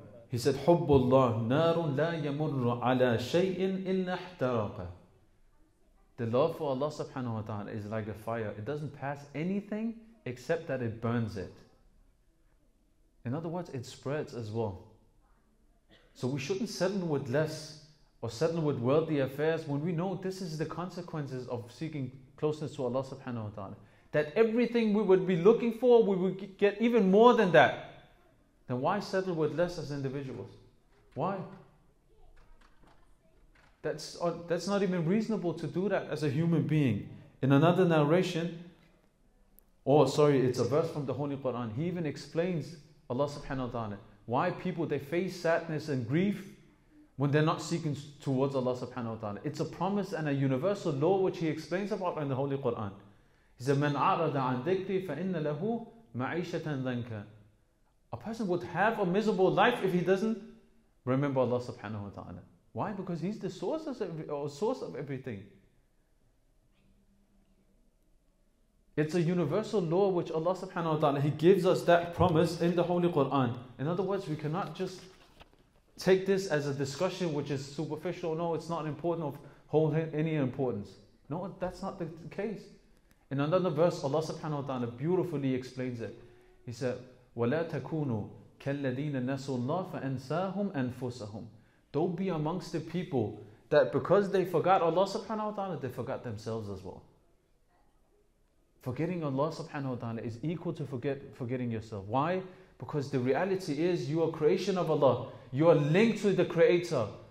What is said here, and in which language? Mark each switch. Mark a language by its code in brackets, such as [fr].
[en] He said, [ar] حُبُّ اللَّهِ نَارٌ لَا يَمُرُّ عَلَى شَيْءٍ إِلَّا احْتَرَقَ. [en] The love for Allah subhanahu wa ta'ala is like a fire. It doesn't pass anything except that it burns it. In other words, it spreads as well. So we shouldn't settle with less or settle with worldly affairs when we know this is the consequences of seeking closeness to Allah subhanahu wa ta'ala. That everything we would be looking for, we would get even more than that. Then why settle with less as individuals? Why? That's not even reasonable to do that as a human being. In another narration, it's a verse from the Holy Quran. He even explains Allah subhanahu wa ta'ala why people, they face sadness and grief when they're not seeking towards Allah subhanahu wa ta'ala. It's a promise and a universal law which he explains about in the Holy Quran. He said, [ar] مَنْ عَرَضَ عَنْ ذِكْرِي فَإِنَّ لَهُ مَعِيشَةً ذَنْكَ. [en] A person would have a miserable life if he doesn't remember Allah subhanahu wa ta'ala. Why? Because he's the source of everything. It's a universal law which Allah subhanahu wa ta'ala, he gives us that promise in the Holy Quran. In other words, we cannot just take this as a discussion which is superficial. No, it's not important of holding any importance. No, that's not the case. In another verse, Allah subhanahu wa ta'ala beautifully explains it. He said, [ar] وَلَا تَكُونُوا كَالَّذِينَ نَسُوا اللَّهِ فَأَنْسَاهُمْ أَنفُسَهُمْ. [en] Don't be amongst the people that because they forgot Allah subhanahu wa ta'ala, they forgot themselves as well. Forgetting Allah subhanahu wa ta'ala is equal to forgetting yourself. Why? Because the reality is you are creation of Allah. You are linked to the Creator.